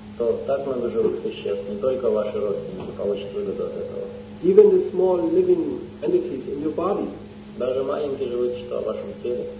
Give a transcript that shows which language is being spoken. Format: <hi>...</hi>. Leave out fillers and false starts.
<ru>То так много живых существ, не только ваши родственники получат выгоду от этого.</ru> <en>Even the small living entities in your body.</en> <ru>Даже маленькие живые существа в вашем теле.</ru>